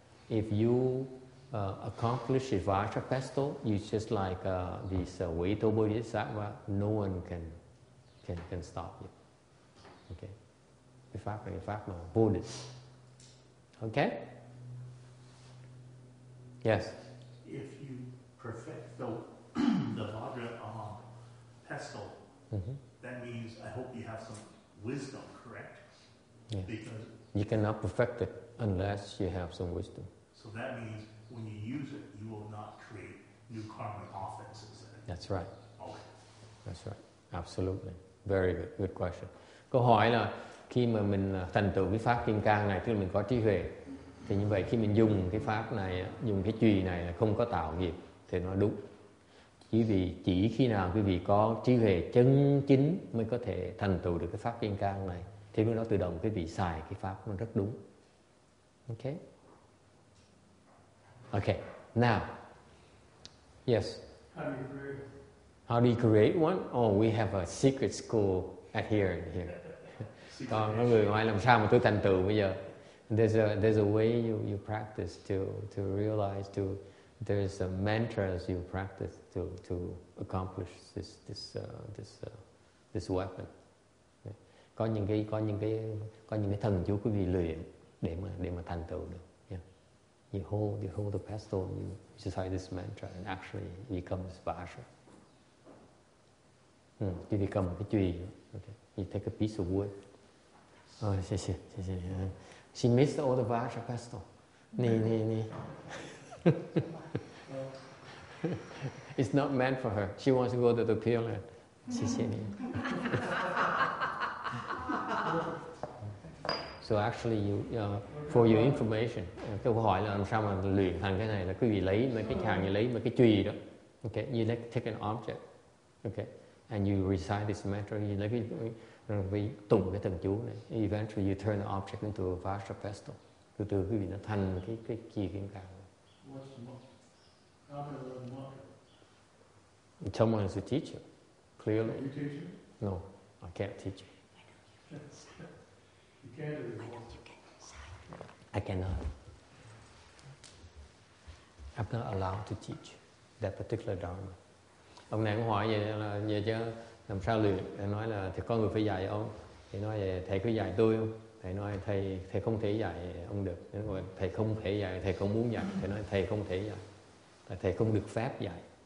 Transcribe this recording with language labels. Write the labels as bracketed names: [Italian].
[English] If you accomplish Vajra pestle, you just like this Vajra Bodhisattva, no one can stop you. [Vietnamese] Okay, cái pháp này pháp mà Buddhist. [English] Okay. Yes. If you perfect the Vajra pestle, that means I hope you have some wisdom, correct? Yeah. Because you cannot perfect it unless you have some wisdom. So that means when you use it, you will not create new karmic offenses. That's right. Okay. That's right. Absolutely. Very good. Good question. [Vietnamese] Câu hỏi là khi mà mình thành tựu cái pháp kim cang này, tức là mình có trí huệ, thì như vậy khi mình dùng cái pháp này, dùng cái chùy này là không có tạo nghiệp, thì nó đúng. Quý vị chỉ khi nào quý vị có trí huệ chân chính mới có thể thành tựu được cái pháp kim cang này, thì lúc đó tự động quý vị xài cái pháp nó rất đúng. [English] Okay. Okay. Now. Yes. How do you create? How do you create one? Oh, we have a secret school at here. [Vietnamese] Còn có người ngoài làm sao mà tôi thành tựu bây giờ? [English] There's a way you practice to realize to. There's a mantras you practice to accomplish this weapon. [Vietnamese] Có những cái thần chú quý vị luyện để mà thành tựu được. [English] Yeah. You hold the pestle, you recite this mantra, and actually it becomes Vajra. You become [Vietnamese] cái chùy. [English] Okay. You take a piece of wood. Oh, sì. She missed all the Vajra pestle. Ni. It's not meant for her. She wants to go to the Pure Land. So actually, for your information, [Vietnamese] câu hỏi là làm sao mà luyện thành cái này là quý vị lấy mấy cái chàng như lấy mấy cái chùy đó. [English] Okay, you like take an object, okay, and you recite this mantra. You like we [Vietnamese] tụng cái thần chú này. [English] Eventually, you turn the object into a Vajra pestle. [Vietnamese] Từ từ quý vị nó thành cái chùy kim cang. [English] How can I learn mantra? Someone is a teacher, clearly. Are you teaching? No, I can't teach you. You can't do mantra. I cannot. I'm not allowed to teach that particular dharma. [Vietnamese] Ông này cũng hỏi vậy là giờ chứ làm sao luyện? Thầy nói là thì con người phải dạy ông. Thầy nói vậy, thầy cứ dạy tôi không? Thầy nói thầy không thể dạy ông được. Thầy nói thầy không thể dạy, thầy không muốn dạy. Thầy nói thầy không thể dạy. Thầy không được phép dạy.